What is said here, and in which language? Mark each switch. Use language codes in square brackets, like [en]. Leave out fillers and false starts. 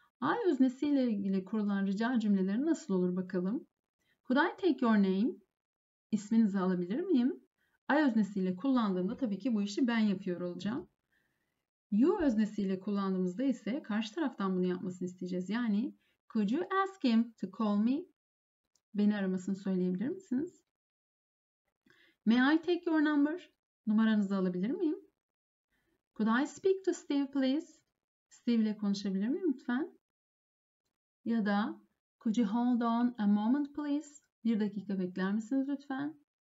[tr] I öznesiyle ilgili kurulan rica cümleleri nasıl olur bakalım? [en] Could I take your name? [tr] İsminizi alabilir miyim? I öznesiyle kullandığımda tabii ki bu işi ben yapıyor olacağım. You öznesiyle kullandığımızda ise karşı taraftan bunu yapmasını isteyeceğiz. [en] Yani could you ask him to call me? [tr] Beni aramasını söyleyebilir misiniz? [en] May I take your number? [tr] Numaranızı alabilir miyim? [en] Could I speak to Steve please? [tr] Steve ile konuşabilir miyim lütfen? Ya da [en] could you hold on a moment please? [tr] Bir dakika bekler misiniz lütfen?